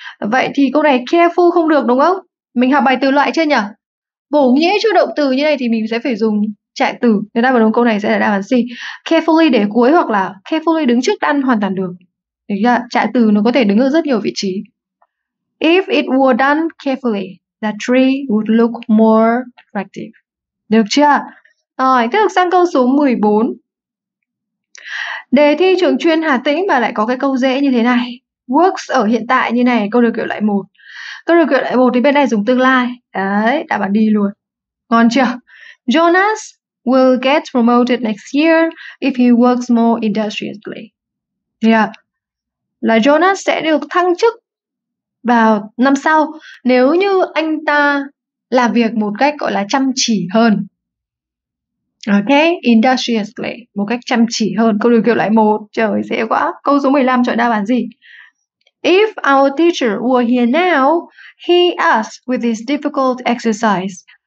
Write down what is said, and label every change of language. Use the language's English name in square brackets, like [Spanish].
[Vietnamese] Vậy thì câu này careful không được đúng không? Mình học bài từ loại chưa nhỉ? Bổ nghĩa cho động từ như này thì mình sẽ phải dùng trạng từ. Nên đáp án đúng câu này sẽ là đáp án C. Carefully để cuối hoặc là carefully đứng trước done hoàn toàn được. Được chưa? Trạng từ nó có thể đứng ở rất nhiều vị trí. [English] If it were done carefully, the tree would look more attractive. [Vietnamese] Được chưa? Rồi, tiếp tục sang câu số 14. Đề thi trường chuyên Hà Tĩnh mà lại có cái câu dễ như thế này. Works ở hiện tại như này, câu điều kiện loại 1. Câu điều kiện loại 1 thì bên này dùng tương lai. Đấy, đáp án đi luôn. Ngon chưa? [English] Jonas will get promoted next year if he works more industriously. Yeah. [Vietnamese] Là Jonas sẽ được thăng chức vào năm sau nếu như anh ta làm việc một cách gọi là chăm chỉ hơn. Ok, industriously, một cách chăm chỉ hơn. Câu điều kiện loại 1, trời dễ quá. Câu số 15 chọn đáp án gì? [English] If our teacher were here now, he asked with this difficult exercise.